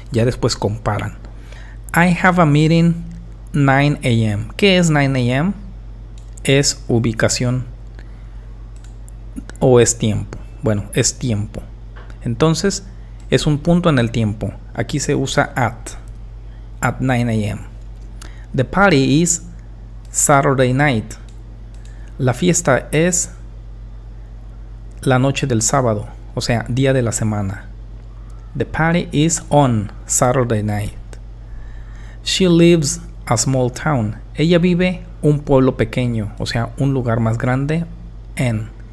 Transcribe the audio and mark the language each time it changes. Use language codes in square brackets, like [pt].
[es] Ya después comparan. [en] I have a meeting 9 a.m. [es] ¿Qué es 9 a.m.? Es ubicación o es tiempo. Bueno, es tiempo. Entonces, es un punto en el tiempo. Aquí se usa [en] at 9 a.m. The party is Saturday night. [es] La fiesta es la noche del sábado, o sea, día de la semana. [en] The party is on Saturday night. She lives a small town. [es] Ella vive un pueblo pequeño, o sea, un lugar más grande, en.